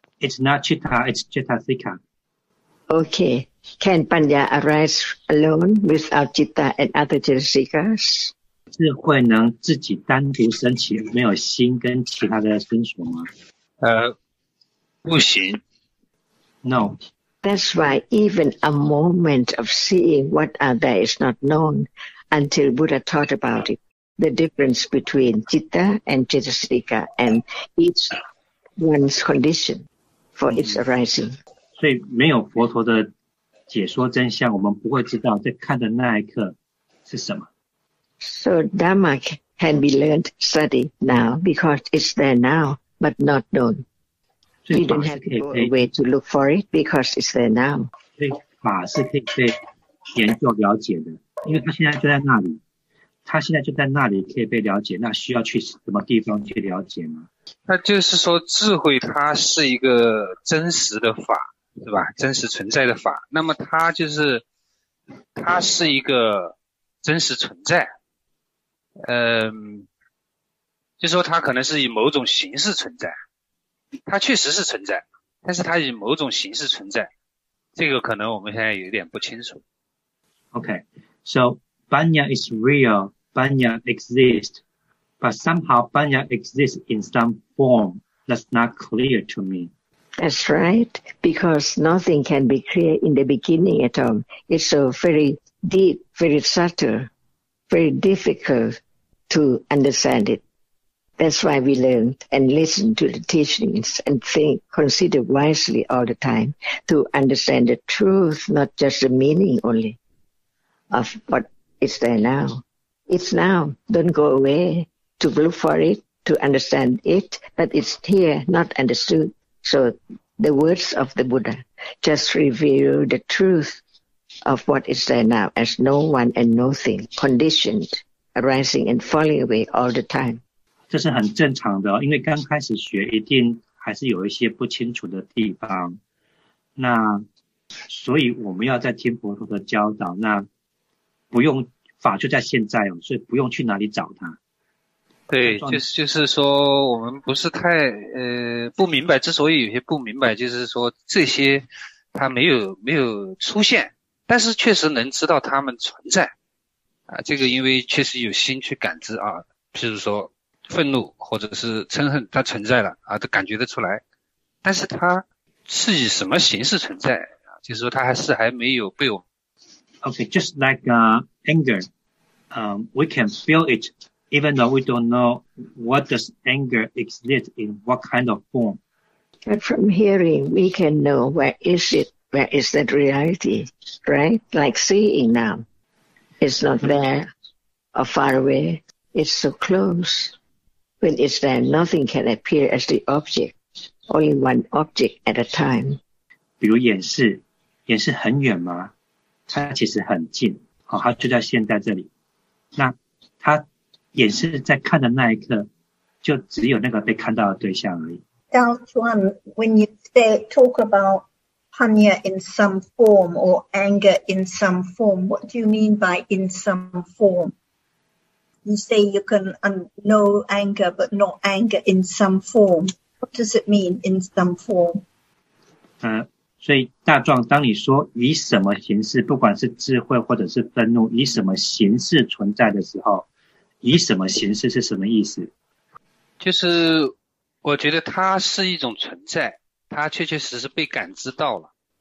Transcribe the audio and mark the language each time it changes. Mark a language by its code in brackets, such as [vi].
[en] It's not citta, it's jitasika. Okay, can panya arise alone without citta and other jitasikas? [zh] 智慧能自己单独升起，没有心跟其他的心所吗？不行。 [en] No. That's why even a moment of seeing what are there is not known until Buddha taught about it. The difference between citta and jitasika and each one's condition for its arising. [zh] 所以没有佛陀的解说真相，我们不会知道在看的那一刻是什么。 [en] So Dhamma can be learned, studied now because it's there now, but not known. We don't have to go away to look for it because it's there now. [zh] 所以法是可以被研究了解的，因为它现在就在那里。他现在就在那里可以被了解，那需要去什么地方去了解吗？那就是说智慧它是一个真实的法，是吧？真实存在的法，那么它就是它是一个真实存在，就是说它可能是以某种形式存在，它确实是存在，但是它以某种形式存在，这个可能我们现在有点不清楚。 [en] OK, soPanya is real, Panya exists, but somehow Panya exists in some form that's not clear to me. That's right, because nothing can be clear in the beginning at all. It's so very deep, very subtle, very difficult to understand it. That's why we learn and listen to the teachings and think, consider wisely all the time to understand the truth, not just the meaning only of what is there now. It's now. Don't go away to look for it, to understand it, but it's here, not understood. So the words of the Buddha just reveal the truth of what is there now as no one and nothing, conditioned, arising and falling away all the time. [zh] 这是很正常的，因为刚开始学一定还是有一些不清楚的地方。那所以我们要在听佛陀的教导，那不用法就在现在哦，所以不用去哪里找它。对，就是说我们不是太不明白，之所以有些不明白，就是说这些它没有出现，但是确实能知道它们存在啊。这个因为确实有心去感知啊，譬如说愤怒或者是嗔恨，它存在了啊，都感觉得出来，但是它是以什么形式存在啊？就是说它还没有被我们。 [en] Okay, just like anger, we can feel it. Even though we don't know what does anger exist in what kind of form. But from hearing, we can know where is it, where is that reality, right? Like seeing now, it's not there or far away, it's so close. When it's there, nothing can appear as the object, only one object at a time. [zh] 比如眼视，眼视很远吗？它其实很近，好，它就在现在这里。那它眼视在看的那一刻，就只有那个被看到的对象而已。 [en] Now, Chuan, when you talk about panya in some form or anger in some form, what do you mean by in some form? You say you can know anger, but not anger in some form. What does it mean in some form? [zh] 所以大壮，当你说以什么形式，不管是智慧或者是愤怒，以什么形式存在的时候。以什么形式是什么意思？就是我觉得它是一种存在，它确确实实被感知到了。